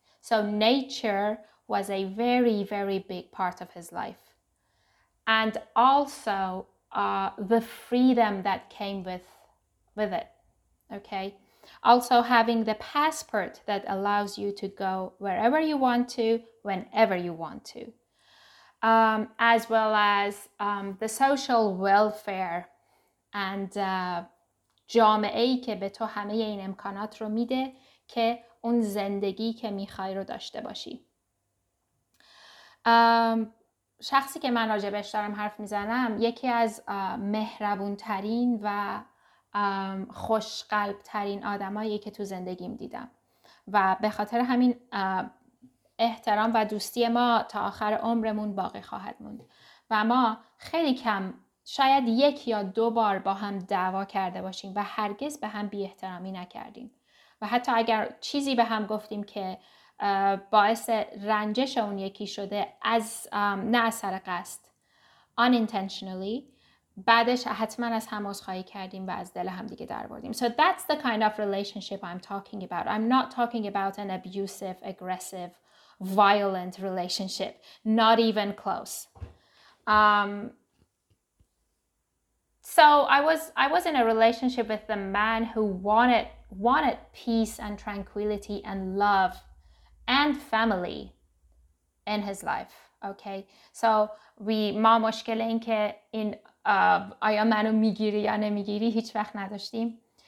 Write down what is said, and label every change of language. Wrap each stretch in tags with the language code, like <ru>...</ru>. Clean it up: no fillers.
<en>So nature was a very, very big part of his life. And also the freedom that came with it, okay? Also having the passport that allows you to go wherever you want to, whenever you want to. As well as the social welfare and</en> <fa>جامعه ای که به تو همه این امکانات رو میده که اون زندگی که میخوای رو داشته باشی. شخصی که من راجبش دارم حرف میزنم یکی از مهربون ترین و خوشقلب ترین آدمایی که تو زندگیم دیدم و به خاطر همین احترام و دوستی ما تا آخر عمرمون باقی خواهد موند و ما خیلی کم شاید یک یا دو بار با هم دعوا کرده باشیم و هرگز به هم بی احترامی نکردیم و حتی اگر چیزی به هم گفتیم که باعث رنجش اون یکی شده از نه از سر قصد</fa> <en>unintentionally</en> <fa>بعدش حتما از هم عذرخواهی کردیم و از دل هم دیگه در بردیم.</fa> <en>So that's the kind of relationship I'm talking about. I'm not talking about an abusive, aggressive, violent relationship. Not even close. So I was in a relationship with the man who wanted peace and tranquility and love and family in his life. Okay. So we</en> <fa>ma moshkele in ke in آیا منو میگیری یا نمیگیری هیچ وقت نداشتیم.</fa>